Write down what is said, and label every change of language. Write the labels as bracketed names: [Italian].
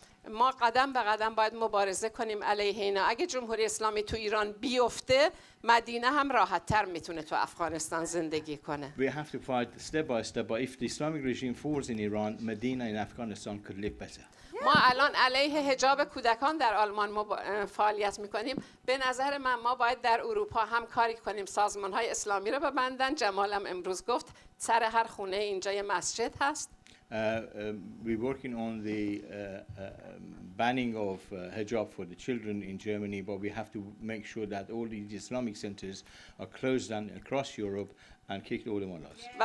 [Persian] ما قدم به قدم باید مبارزه کنیم علیه اینا. اگه جمهوری اسلامی تو ایران بیفته، مدینه هم راحت تر میتونه تو افغانستان زندگی کنه. [English] We have to fight step by step, but if the Islamic regime falls in Iran, Medina in Afghanistan could live better. [Persian] ما الان علیه حجاب کودکان در آلمان فعالیت میکنیم. به نظر من ما باید در اروپا هم کاری کنیم، سازمانهای اسلامی رو ببندن. جمالم امروز گفت سر هر خونه اینجا یه مسجد هست. [English] We're working on the banning of hijab for the children in Germany, but we have to make sure that all these Islamic centers are closed down across Europe and kicked all the mullahs.